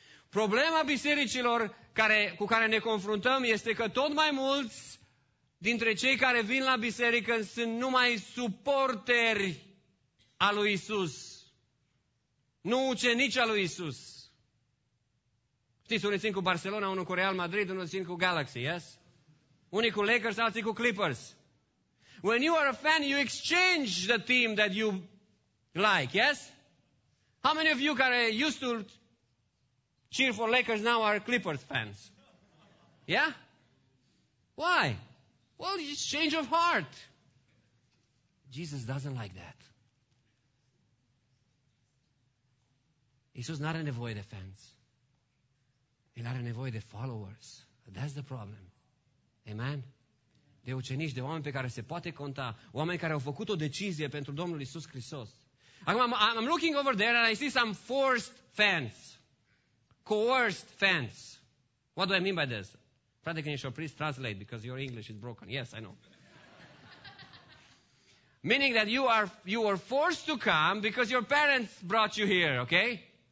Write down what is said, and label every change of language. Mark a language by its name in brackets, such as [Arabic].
[Romanian] Problema bisericilor cu care ne confruntăm este că tot mai mulți dintre cei care vin la biserică sunt numai suporteri a lui Iisus. Nu ucenici a lui Iisus. Știți, unii țin cu Barcelona, unul cu Real Madrid, unul țin cu Galaxy, yes? Unii cu Lakers, alții cu Clippers. [English] When you are a fan, you exchange the team that you like, yes? How many of you care used to cheer for Lakers now are Clippers fans? Yeah? Why? Well, it's change of heart. Jesus doesn't like that. [Romanian] Iisus n-are nevoie de fans. El are nevoie de followers. [English] That's the problem. [Romanian] Amen? De ucenici, de oameni pe care se poate conta, oameni care au făcut o decizie pentru Domnul Iisus Hristos. [English] Acum, I'm looking over there and I see some forced fans. Coerced fans. What do I mean by this? Frate, can you please translate because your English is broken. Yes, I know. Meaning that you were forced to come because your parents brought you here, okay?